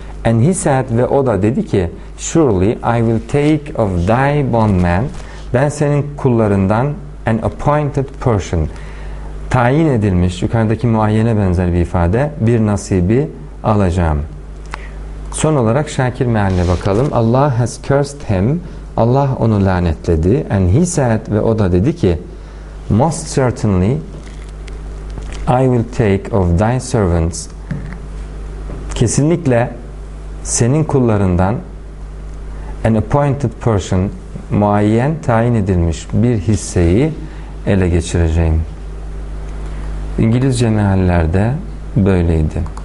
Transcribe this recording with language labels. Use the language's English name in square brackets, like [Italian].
[English] And he said, [Turkish] ve o da dedi ki, [English] surely I will take of thy bondman, [Turkish] ben senin kullarından [English] an appointed portion, [Turkish] tayin edilmiş, yukarıdaki muayyene benzer bir ifade, bir nasibi alacağım. Son olarak şakir mealine bakalım. [English] Allah has cursed him. [Turkish] Allah onu lanetledi. [English] And he said, [Turkish] ve o da dedi ki, [English] most certainly I will take of thy servants. [Turkish] Kesinlikle senin kullarından [English] an appointed portion, [Turkish] muayyen, tayin edilmiş bir hisseyi ele geçireceğim. İngilizce meallerde böyleydi.